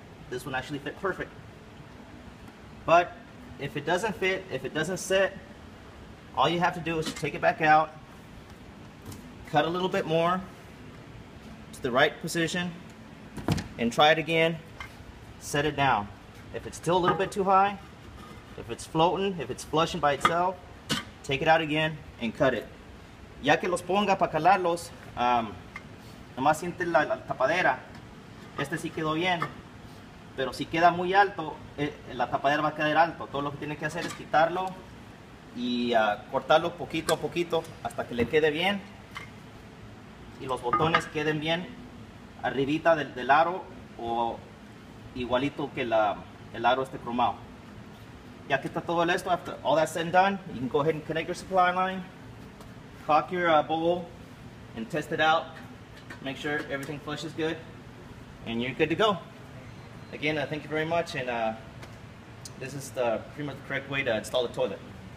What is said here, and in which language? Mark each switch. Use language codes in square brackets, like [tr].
[en] This one actually fit perfect, but if it doesn't fit, if it doesn't sit, all you have to do is take it back out, cut a little bit more to the right position, and try it again, set it down. If it's still a little bit too high, if it's floating, if it's flushing by itself, take it out again and cut it. [es] Ya que los ponga para calarlos, nomás siente la tapadera. Este sí quedó bien. Pero si queda muy alto, la tapadera va a quedar alto. Todo lo que tiene que hacer es quitarlo y cortarlo poquito a poquito hasta que le quede bien. Y los botones queden bien arribita del aro o igualito que el aro este cromado. Ya que está todo esto, [en] after all that's said and done, you can go ahead and connect your supply line. Cock your bowl and test it out. Make sure everything flushes good and you're good to go. Again, thank you very much, and this is the pretty much the correct way to install the toilet.